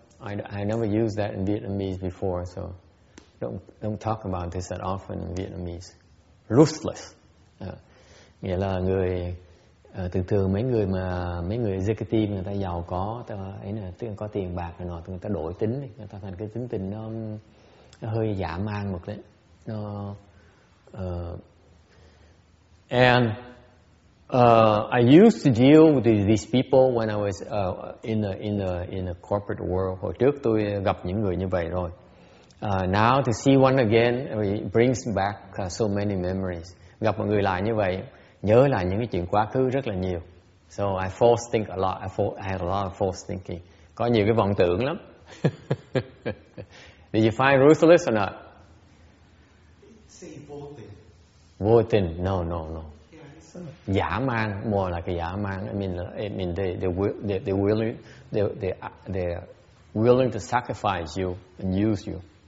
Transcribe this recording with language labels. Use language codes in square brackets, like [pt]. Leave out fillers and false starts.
[en] I never used that in Vietnamese before, so don't talk about this that often in Vietnamese. [vi] Ruthless, nghĩa là người thường mấy người executive người ta giàu có, ta ấy là tức có tiền bạc rồi nọ, người ta đổi tính, người ta thành cái tính tình nó hơi dã man một đấy. [en] I used to deal with these people when I was in a corporate world. [vi] Hồi trước tôi gặp những người như vậy rồi. [en] Now to see one again, it brings back so many memories. [vi] Gặp một người lại như vậy, nhớ lại những cái chuyện quá khứ rất là nhiều. [en] So I false think a lot. I had a lot of false thinking. [vi] Có nhiều cái vọng tưởng lắm. [en] Did you find ruthless or not? [vi] Say vô tình. Vô tình? [en] No. Giả mang, more like a giả mang. I mean they're willing to sacrifice you and use you.